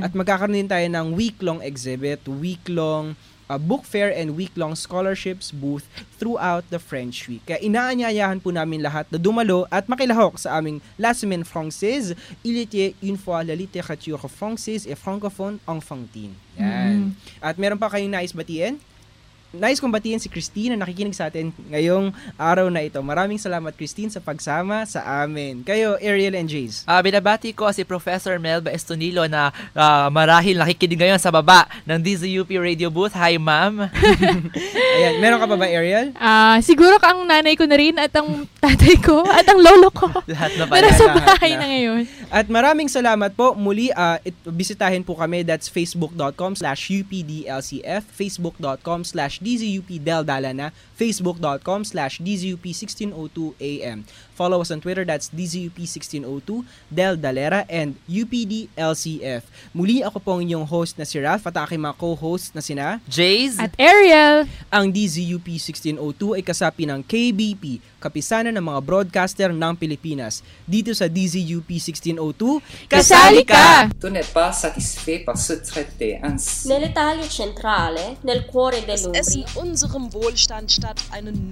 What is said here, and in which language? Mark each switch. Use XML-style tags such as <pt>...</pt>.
<tl>At magkakaroon din tayo ng</tl> <en>week-long exhibit, week-long book fair, and week-long scholarships booth throughout the French Week.</en> <tl>Kaya inaanyayahan po namin lahat na dumalo at makilahok sa aming</tl> <fr>La Semaine Française, Il était une fois la littérature française et francophone enfantine.</fr> <tl>At meron pa kayong nais batiin? Nais kong batiin si Christine na nakikinig sa atin ngayong araw na ito. Maraming salamat, Christine, sa pagsama sa amin. Kayo, Ariel and Jays. Binabati ko si Professor Melba Estonilo na marahil nakikinig ngayon sa baba ng DZUP Radio Booth.</tl> <en>Hi, ma'am.</en> <tl>Ayan, meron ka pa ba, Ariel? Siguro ka ang nanay ko na rin at ang tatay ko at ang lolo ko. Lahat na pala. Nasa bahay na ngayon. At maraming salamat po. Muli, bisitahin po kami.</tl> <en>That's facebook.com/UPDLCF, facebook.com/DZUPDeldalana, facebook.com/DZUP1602AM. Follow us on Twitter, that's DZUP1602, Del Dalera, and UPDLCF.</en> <tl>Muli, ako pong inyong host na si Ralph at aking mga co-hosts na sina Jays at Ariel. Ang DZUP1602 ay kasapi ng KBP, Kapisanan ng mga Broadcaster ng Pilipinas. Dito sa DZUP1602, kasali ka!</tl> <fr>Tu n'es pas satisfait par ce traité, hein?</fr> <it>Nelle Italie centrale, nel cuore del mondo.</it> <de>Es in unserem Wohlstand statt einen</de>